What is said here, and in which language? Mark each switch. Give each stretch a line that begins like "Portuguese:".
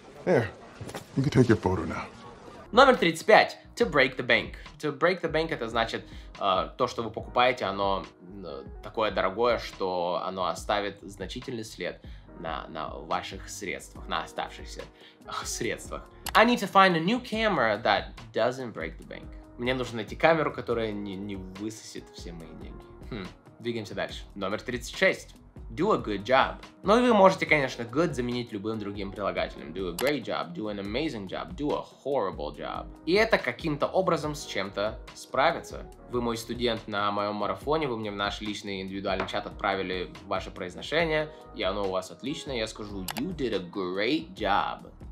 English: Here, you can take your photo now.
Russian: Номер 35.
English: To break the bank. To break the bank
Russian: — это значит, то, что вы покупаете, оно такое дорогое, что оно оставит значительный след на ваших средствах, на оставшихся средствах.
English: I need to find a new camera that doesn't break the bank.
Russian: Мне нужно найти камеру, которая не высосет все мои деньги. Двигаемся дальше. Номер 36.
English: do a good job.
Russian: Ну и вы можете, конечно, good заменить любым другим прилагательным.
English: Do a great job, do an amazing job, do a horrible job.
Russian: И это каким-то образом с чем-то справится. Вы мой студент на моем марафоне, вы мне в наш личный индивидуальный чат отправили ваше произношение, и оно у вас отличное, я скажу
English: you did a great job.